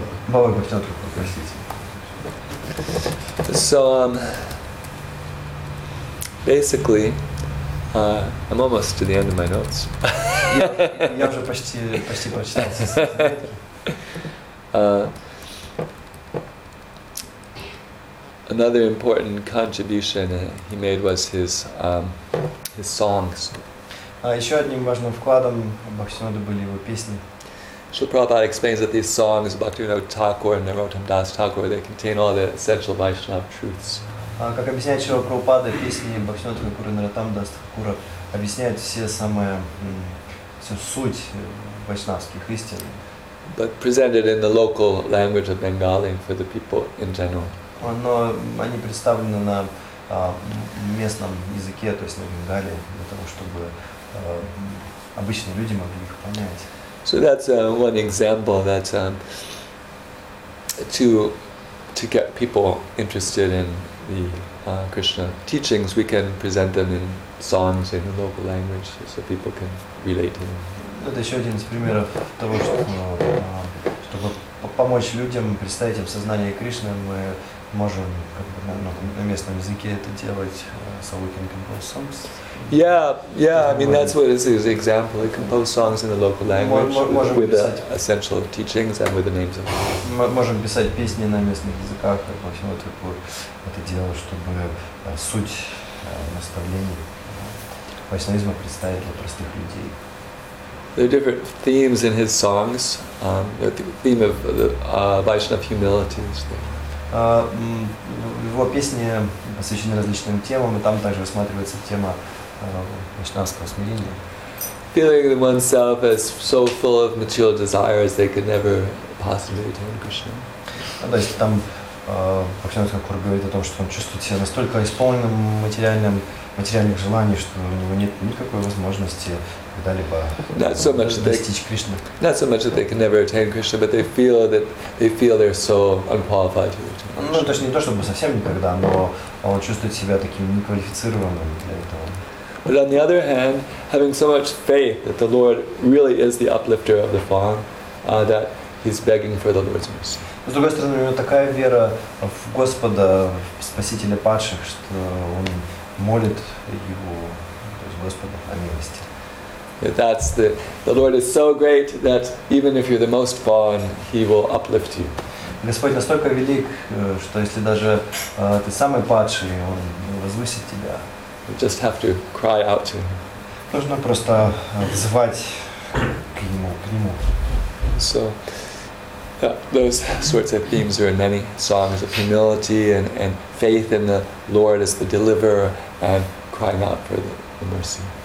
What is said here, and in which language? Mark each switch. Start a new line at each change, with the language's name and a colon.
Russian: Баба Бхактивинода Тхакур, простите.
English: So, basically, I'm almost to the end of my notes.
Russian: Я уже почти прочитал.
English: Another important contribution he made was his songs.
Russian: Еще одним важным вкладом Бхактивинода были его песни.
English: Srila Prabhupada explains that these songs, Bhaktivinoda Thakur and Narottam Das Thakur, they contain all the essential Vaishnava truths.
Russian: Как объясняет Srila Prabhupada, песни Бхактивинода Thakur и Narottam Das Thakur объясняют всю суть вайшнавских истин.
English: But presented in the local language of Bengali for the people in general.
Russian: Но они представлены на местном языке, то есть на бенгали, для того, чтобы обычные люди могли их понять.
English: So that's one example that to get people interested in the Krishna teachings, we can present them in songs in the local language so people can relate to them.
Russian: Это еще один из примеров того, чтобы помочь людям представить им сознание Кришны, мы можем на местном языке это делать,
English: so we can compose songs. Yeah, I mean, that's what it is, an example. We compose songs in the local language with the essential teachings and with the names of them.
Russian: Мы можем писать песни на местных языках, как Бхактивинода Тхакур это делал, чтобы суть наставлений вайшнавизма представить для простых людей.
English: There are different themes in his songs. The theme of the Vaishnava humility is there.
Russian: Его песни посвящены различным темам, и там также рассматривается тема вайшнавского смирения.
English: Feeling oneself as so full of material desires they could never possibly attain Krishna.
Russian: То есть там Бхактивинода Тхакур говорит о том, что он чувствует себя настолько исполненным материальных желаний, что у него нет никакой возможности когда-либо достичь Кришны.
English: Not so much that they can never attain Krishna, but they feel that they feel they're so unqualified to attain Krishna.
Russian: Ну, то есть не то чтобы совсем никогда, но он чувствует себя таким неквалифицированным для этого.
English: But on the other hand, having so much faith that the Lord really is the uplifter of the fallen, that he's begging for the Lord's mercy.
Russian: С другой стороны, у него такая вера в Господа, в спасителя падших, что он молит его, то есть Господа, о милости.
English: That's the Lord is so great that even if you're the most fallen, he will uplift you.
Russian: Господь настолько велик, что если даже ты самый падший, он возвысит тебя.
English: You just have to cry out to him.
Russian: Нужно просто звать к нему.
English: So, those sorts of themes are in many songs of humility and faith in the Lord as the deliverer and crying out for the mercy.